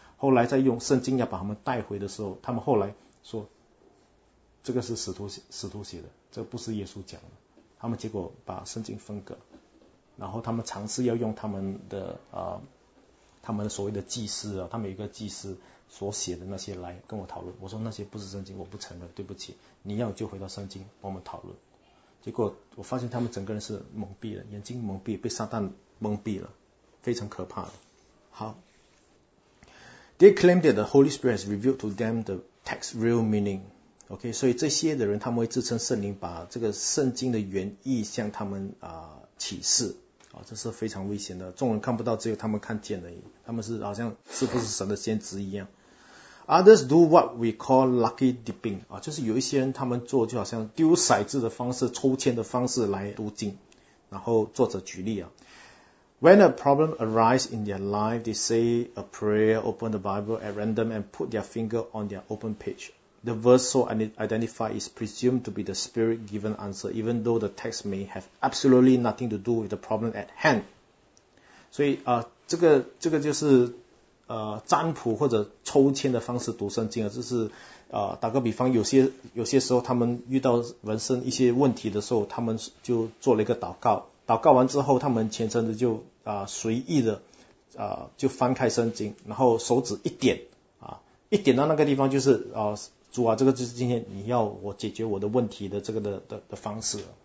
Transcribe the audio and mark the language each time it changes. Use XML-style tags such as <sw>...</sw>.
<zh>后来在用圣经要把他们带回的时候，他们后来说这个是使徒写的，这不是耶稣讲的，他们结果把圣经分隔，然后他们尝试要用他们的他们所谓的祭司啊，他们有一个祭司所写的那些来跟我讨论，我说那些不是圣经，我不承认，对不起，你要就回到圣经帮我们讨论。结果我发现他们整个人是蒙蔽了，眼睛蒙蔽，被撒旦蒙蔽了，非常可怕的。</zh> <en>好， They claim that the Holy Spirit has revealed to them the text's real meaning.</en> <zh>OK, 所以这些的人他们会自称圣灵把这个圣经的原意向他们启示啊，这是非常危险的，众人看不到，只有他们看见而已，他们是好像是不是神的先知一样。</zh> <en>Others do what we call lucky dipping</en> <zh>啊，就是有一些人他们做就好像丢骰子的方式，抽签的方式来读经。然后作者举例啊，</zh> <en>When a problem arises in their life, they say a prayer, open the Bible at random and put their finger on their open page. The verse so identified is presumed to be the spirit given answer, even though the text may have absolutely nothing to do with the problem at hand.</en> <zh>所以这个就是占卜或者抽签的方式读圣经啊，就是打个比方，有些时候他们遇到人生一些问题的时候，他们就做了一个祷告，祷告完之后，他们虔诚的就随意的就翻开圣经，然后手指一点啊，一点到那个地方就是主啊，这个就是今天你要我解决我的问题的这个的方式。</zh>